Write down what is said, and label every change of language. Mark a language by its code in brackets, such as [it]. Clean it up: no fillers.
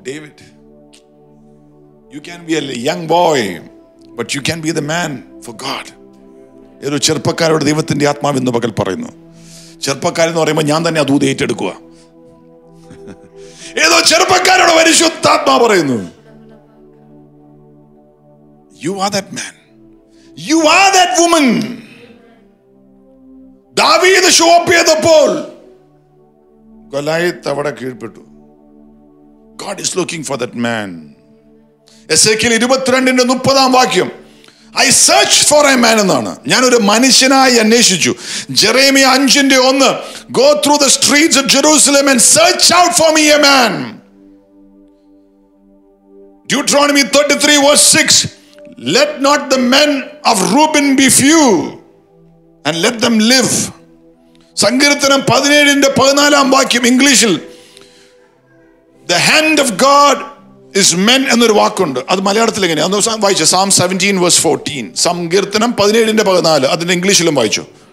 [en] David, you can be a young boy, but you can be the man for God. [ml] ഒരു ചെറുപ്പക്കാരോട് ദൈവത്തിന്റെ ആത്മാവ് ഇന്ന് പകൽ പറയുന്നു. ചെറുപ്പക്കാരൻ എന്ന് പറയുമ്പോൾ ഞാൻ തന്നെ ആ ദൂത് ഏറ്റെടുക്കുക. ഏതോ ചെറുപ്പക്കാരോട് പരിശുദ്ധ ആത്മാ പറയുന്നു, [en] You are that man. You are that woman. [ml] ദാവീദ് ഷോ അപ്പ് ചെയ്തപ്പോൾ ഗൊലിയാത്ത് അവിടെ കീഴ്പ്പെട്ടു. [en] God is looking for that man. Ezekiel 22:30 [ml] ആം വാക്യം, [en] I searched for a man [ml] എന്നാണ്. ഞാൻ ഒരു മനുഷ്യനായി അന്വേഷിച്ചു. [en] Jeremiah 5:1, Go through the streets of Jerusalem and search out for me a man. Deuteronomy 33:6, Let not the men of Reuben be few and let them live. [ml] സങ്കീർത്തനം 17:14 ആം വാക്യം, ഇംഗ്ലീഷിൽ [en] The hand of God is men [ml] എന്നൊരു വാക്കുണ്ട്. അത് മലയാളത്തിൽ എങ്ങനെയാണ്? അന്ന് വായിച്ചു Psalm 17:14. സങ്കീർത്തനം 17:14 അതിന്റെ ഇംഗ്ലീഷിലും വായിച്ചു.